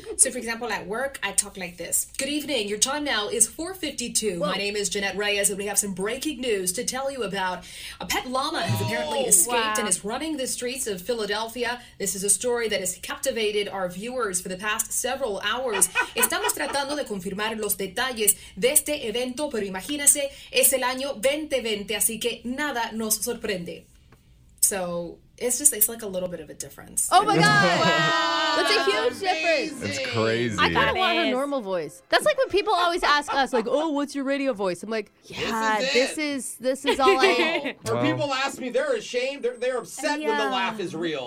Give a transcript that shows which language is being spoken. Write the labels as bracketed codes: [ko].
[en] So for example, at work, I talk like this. Good evening, your time now is 4:52. Whoa. My name is Jeanette Reyes, and we have some breaking news to tell you about. A pet llama has apparently escaped and is running the streets of Philadelphia. This is a story that has captivated our viewers for the past several hours. [es] Estamos tratando de confirmar los detalles de este evento, pero imagínese, es el año 2020, así que nada nos sorprende. [en] So it's just, it's like a little bit of a difference. Oh my God! Wow. That's a huge difference. It's crazy. I kind of want her normal voice. That's like when people always ask us, like, oh, what's your radio voice? I'm like, yeah, this is all I know. Or people ask me, they're ashamed. They're upset when the laugh is real.